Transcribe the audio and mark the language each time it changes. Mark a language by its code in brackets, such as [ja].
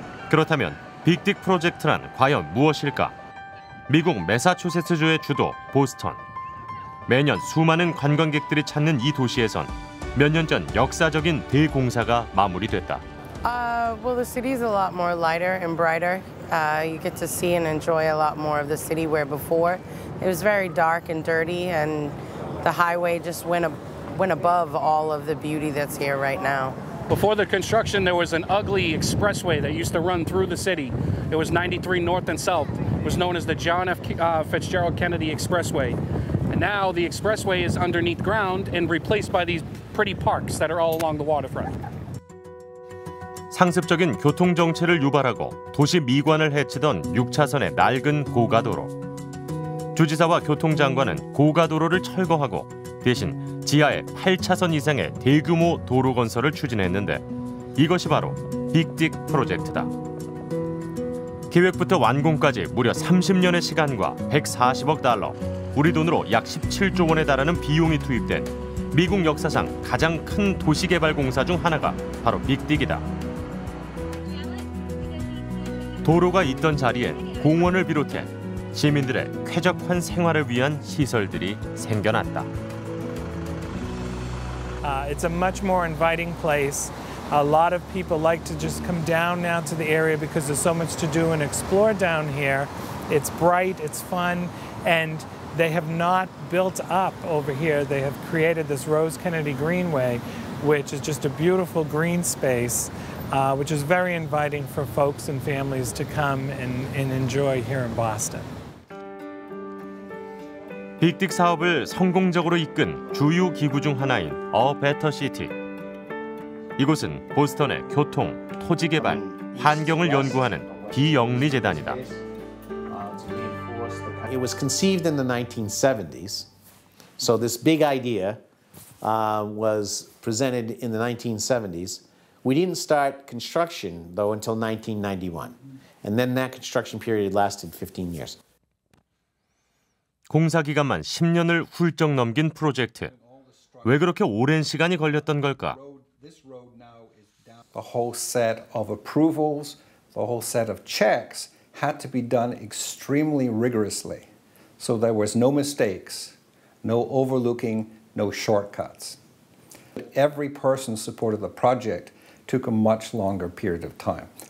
[ko] 그렇다면 빅딕 프로젝트란 과연 무엇일까? 미국 매사추세츠주의 주도 보스턴. 매년 수많은 관광객들이 찾는 이 도시에선 몇 년 전 역사적인 대공사가 마무리됐다. [en] Well, the city is a lot more lighter and brighter. You get to see and enjoy a lot more of the city where before it was very dark and dirty, and the highway just went above all of the beauty that's here right now. Before the construction, there was an ugly expressway that used to run through the city. It was 93 North and South. It was known as the John F. Fitzgerald Kennedy Expressway. And now the expressway is underneath ground and replaced by these pretty parks that are all along the waterfront. [ko] 상습적인 교통정체를 유발하고 도시 미관을 해치던 6차선의 낡은 고가도로. 주지사와 교통장관은 고가도로를 철거하고 대신 지하에 8차선 이상의 대규모 도로 건설을 추진했는데 이것이 바로 빅딕 프로젝트다. 기획부터 완공까지 무려 30년의 시간과 140억 달러, 우리 돈으로 약 17조 원에 달하는 비용이 투입된 미국 역사상 가장 큰 도시개발 공사 중 하나가 바로 빅딕이다. 도로가 있던 자리에 공원을 비롯해 시민들의 쾌적한 생활을 위한 시설들이 생겨났다. [en] It's a much more inviting place. A lot of people like to just come down now to the area because there's so much to do and explore down here. It's bright, it's fun, and they have not built up over here. They have created this Rose Kennedy Greenway, which is just a beautiful green space, which is very inviting for folks and families to come and enjoy here in Boston. [ko] 빅딕 사업을 성공적으로 이끈 주요 기구 중 하나인 어 베터 시티. 이곳은 보스턴의 교통, 토지 개발, 환경을 연구하는 비영리 재단이다. [en] It was conceived in the 1970s. So this big idea was presented in the 1970s. We didn't start construction though until 1991. And then that construction period lasted 15 years. [ko] 공사 기간만 10년을 훌쩍 넘긴 프로젝트. 왜 그렇게 오랜 시간이 걸렸던 걸까? [en] The whole set of approvals, the whole set of checks had to be done extremely rigorously. So there was no mistakes, no overlooking, no shortcuts. Every person supported the project took a much longer period of time.